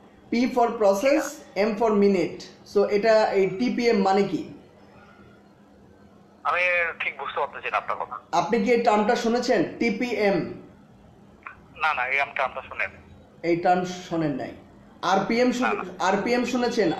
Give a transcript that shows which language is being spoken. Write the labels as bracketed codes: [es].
[en] P for process, M for minute. [bn] So, এটা এই TPM মানে কি? আমি ঠিক বুঝতে পারতেছি না আপনার কথা। আপনি কি এই টার্মটা শুনেছেন TPM? না না, এই টার্মটা শুনেন, এই টার্ম শুনেন নাই। RPM RPM শুনেছেন?